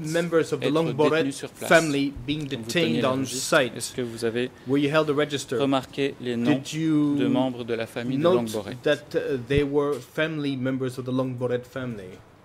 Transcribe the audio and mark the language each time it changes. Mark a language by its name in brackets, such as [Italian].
[English] members of the Langue Borette family being detained on site? [French] Est-ce que vous avez remarqué les noms de membres de la famille de Langue Borette? [English] That they were family members of the Langue Borette family.